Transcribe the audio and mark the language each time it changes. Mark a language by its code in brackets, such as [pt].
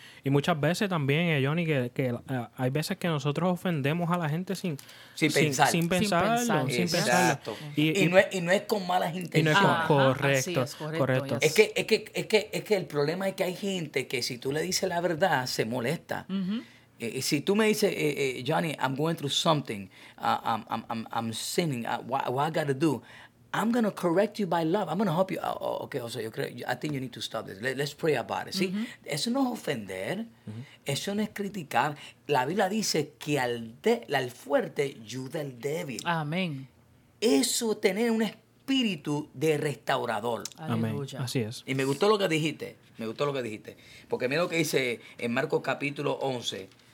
[es] Y muchas veces también, Johnny, que hay veces que nosotros ofendemos a la gente sin pensarlo. Exacto. Y no es con malas intenciones. Correcto. Es que el problema es que hay gente que si tú le dices la verdad, se molesta. Uh-huh. Si tú me dices, [en] Johnny, I'm going through something, I'm sinning, what I gotta do, I'm going to correct you by love. I'm going to help you. Oh, okay, Jose, I think you need to stop this. Let's pray about it. [es] ¿Sí? Mm-hmm. Eso no es ofender. Mm-hmm. Eso no es criticar. La Biblia dice que al fuerte ayuda al débil. Amén. Eso es tener un espíritu de restaurador. Amén. Así es. Y me gustó lo que dijiste. Porque mira lo que dice en Marcos capítulo 11.